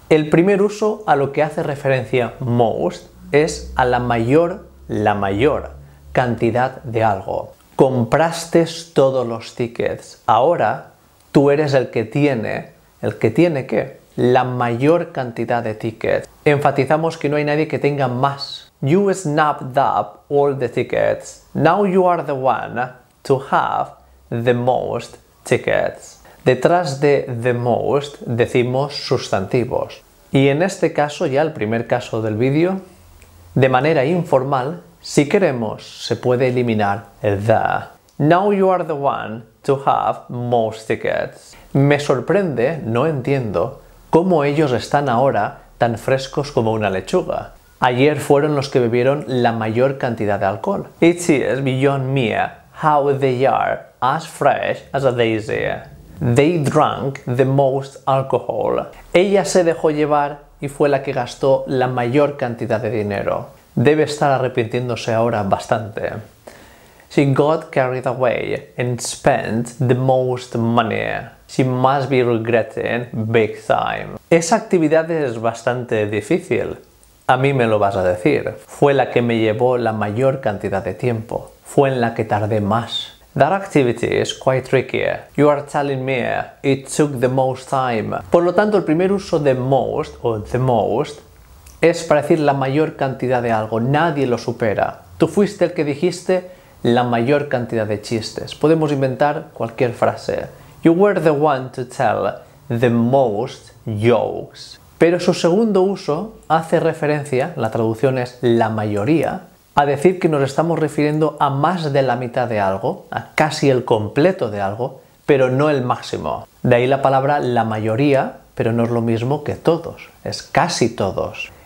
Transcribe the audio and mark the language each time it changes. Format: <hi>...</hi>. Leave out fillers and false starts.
<es>El primer uso a lo que hace referencia most es a la mayor cantidad de algo. Compraste todos los tickets. Ahora tú eres el que tiene ¿qué? La mayor cantidad de tickets. Enfatizamos que no hay nadie que tenga más.</es> <en>You snapped up all the tickets. Now you are the one to have the most tickets.</en> <es>Detrás de the most decimos sustantivos. Y en este caso, ya el primer caso del vídeo, de manera informal, si queremos, se puede eliminar the.</es> <en>Now you are the one to have most tickets.</en> <es>Me sorprende, no entiendo, cómo ellos están ahora tan frescos como una lechuga. Ayer fueron los que bebieron la mayor cantidad de alcohol.</es> <en>It is beyond me how they are as fresh as a daisy. They drank the most alcohol.</en> <es>Ella se dejó llevar y fue la que gastó la mayor cantidad de dinero. Debe estar arrepintiéndose ahora bastante.</es> <en>She got carried away and spent the most money. She must be regretting big time.</en> <es>Esa actividad es bastante difícil. A mí me lo vas a decir. Fue la que me llevó la mayor cantidad de tiempo. Fue en la que tardé más.</es> <en>That activity is quite tricky. You are telling me it took the most time.</en> <es>Por lo tanto, el primer uso de most o the most es para decir la mayor cantidad de algo. Nadie lo supera. Tú fuiste el que dijiste la mayor cantidad de chistes. Podemos inventar cualquier frase.</es> <en>You were the one to tell the most jokes.</en> <es>Pero su segundo uso hace referencia, la traducción es la mayoría, a decir que nos estamos refiriendo a más de la mitad de algo, a casi el completo de algo, pero no el máximo. De ahí la palabra la mayoría, pero no es lo mismo que todos, es casi todos.</es>